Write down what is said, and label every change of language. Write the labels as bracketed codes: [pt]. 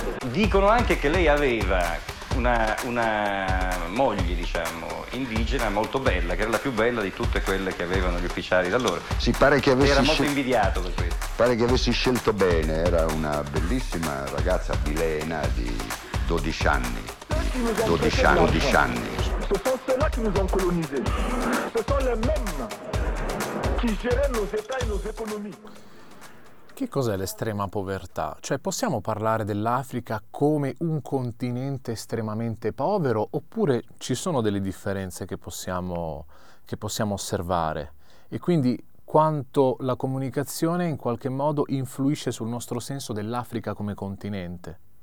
[it] Dicono anche che lei aveva una moglie, diciamo, indigena molto bella, che era la più bella di tutte quelle che avevano gli ufficiali da loro. Si pare che avessi era molto invidiato per questo. Pare che avessi scelto bene, era una bellissima ragazza bilena di 12 anni. 12 anni. [fr] Ce sont ceux-là qui nous ont colonisés. Ce sont les mêmes qui gèrent nos états et nos économies. [it] Che cos'è l'estrema povertà? Cioè, possiamo parlare dell'Africa come un continente estremamente povero, oppure ci sono delle differenze che possiamo osservare? E quindi quanto la comunicazione in qualche modo influisce sul nostro senso dell'Africa come continente?